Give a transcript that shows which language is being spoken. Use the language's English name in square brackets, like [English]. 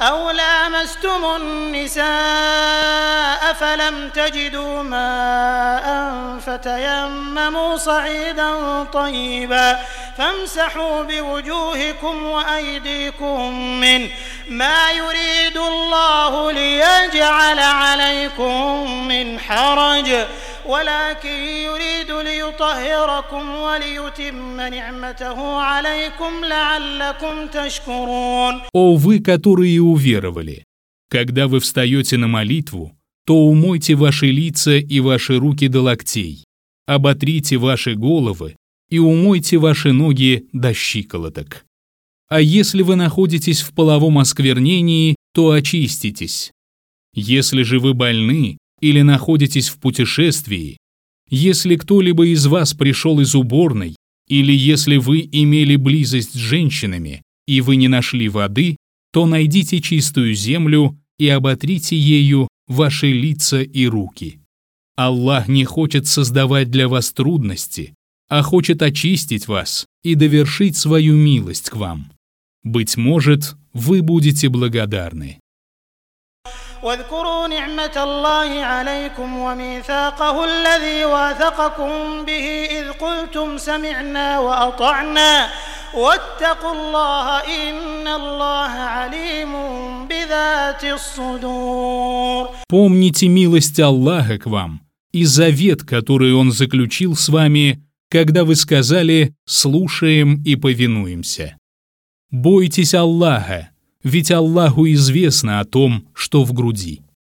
[Arabic] لامستم النساء فلم تجدوا ماء فتيمموا صعيدا طيبا فامسحوا بوجوهكم وأيديكم من ما يريد الله ليجعل عليكم من حرج ولكن يريد ليطهركم وليتم نعمته عليكم لعلكم تشكرون. [Russian] О вы, которые уверовали, когда вы встаете на молитву, то умойте ваши лица и ваши руки до локтей, оботрите ваши головы и умойте ваши ноги до щиколоток. А если вы находитесь в половом осквернении, то очиститесь. Если же вы больны или находитесь в путешествии, если кто-либо из вас пришел из уборной, или если вы имели близость с женщинами, и вы не нашли воды, то найдите чистую землю и оботрите ею ваши лица и руки. Аллах не хочет создавать для вас трудности, а хочет очистить вас и довершить свою милость к вам. Быть может, вы будете благодарны. [Arabic] واذكروا نعمة الله عليكم وميثاقه الذي واثقكم به إذ قلتم سمعنا وأطعنا واتقوا الله إن الله عليم بذات الصدور. [Russian] Помните милость Аллаха к вам и завет, который Он заключил с вами, когда вы сказали «слушаем и повинуемся». Бойтесь Аллаха, ведь Аллаху известно о том, что в груди.